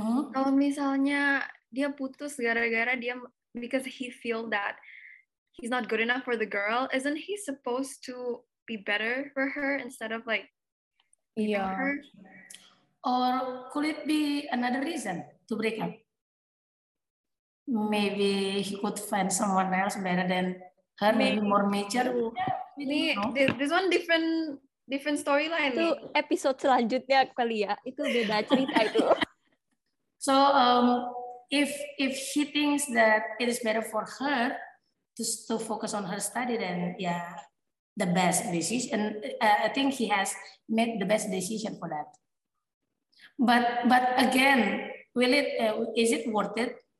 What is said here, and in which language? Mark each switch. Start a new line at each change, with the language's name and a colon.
Indonesian: Kalau misalnya dia putus gara-gara dia,
English: because he feel that he's not good enough for the girl, isn't he supposed to be better for her instead of like leaving her? Or could it be another reason to break up? Maybe he could find someone else better than her, maybe more mature. This one different storyline.
Indonesian: Itu episode selanjutnya kali ya, itu beda cerita itu.
English: So if he thinks that it is better for her to focus on her study, then yeah, the best decision. I think he has made the best decision for that. But again, is it worth it?